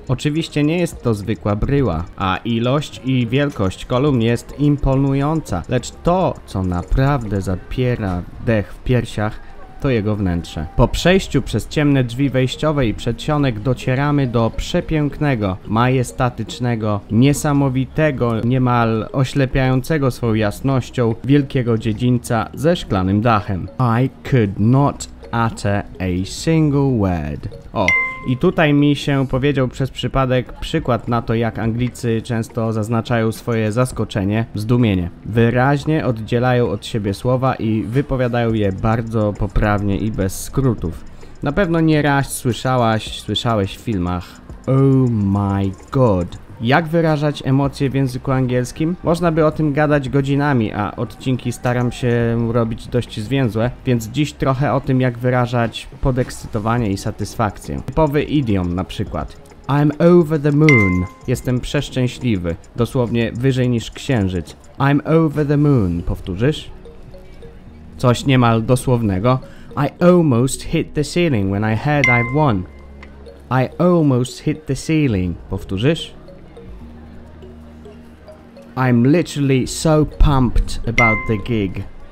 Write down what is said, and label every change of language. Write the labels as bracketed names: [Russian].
[Polish] Oczywiście nie jest to zwykła bryła, a ilość i wielkość kolumn jest imponująca, lecz to, co naprawdę zapiera dech w piersiach, to jego wnętrze. Po przejściu przez ciemne drzwi wejściowe i przedsionek docieramy do przepięknego, majestatycznego, niesamowitego, niemal oślepiającego swoją jasnością wielkiego dziedzińca ze szklanym dachem. [English] I could not utter a single word. [Polish] O, i tutaj mi się powiedział przez przypadek przykład na to, jak Anglicy często zaznaczają swoje zaskoczenie, zdumienie. Wyraźnie oddzielają od siebie słowa i wypowiadają je bardzo poprawnie i bez skrótów. Na pewno nieraz słyszałeś w filmach [English] "Oh my god". [Polish] Jak wyrażać emocje w języku angielskim? Można by o tym gadać godzinami, a odcinki staram się robić dość zwięzłe, więc dziś trochę o tym, jak wyrażać podekscytowanie i satysfakcję. Typowy idiom na przykład. [English] I'm over the moon. [Polish] Jestem przeszczęśliwy. Dosłownie wyżej niż księżyc. [English] I'm over the moon. [Polish] Powtórzysz? Coś niemal dosłownego. [English] I almost hit the ceiling when I heard I've won. I almost hit the ceiling. [Polish] Powtórzysz? [English] I'm literally so pumped about the gig.